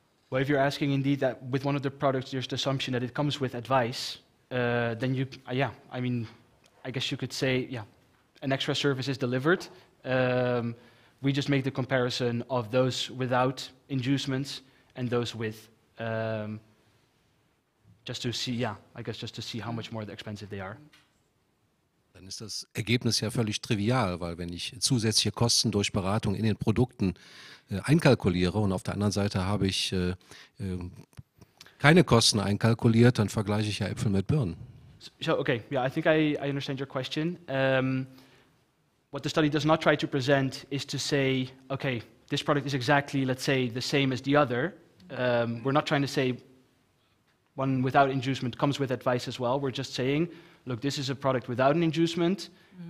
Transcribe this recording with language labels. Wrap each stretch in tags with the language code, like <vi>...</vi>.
<en>Well, if you're asking indeed that with one of the products there's the assumption that it comes with advice, then you, I mean, I guess you could say, an extra service is delivered. We just make the comparison of those without inducements and those with just to see, just to see how much more expensive they are.</en> <de>Dann ist das Ergebnis ja völlig trivial, weil wenn ich zusätzliche Kosten durch Beratung in den Produkten einkalkuliere und auf der anderen Seite habe ich keine Kosten einkalkuliert, dann vergleiche ich ja Äpfel mit Birnen.</de> <en>So, okay, I think I understand your question. What the study does not try to present is to say, okay, this product is exactly, let's say, the same as the other. We're not trying to say, one without inducement comes with advice as well. We're just saying, look, this is a product without an inducement, mm-hmm.</en>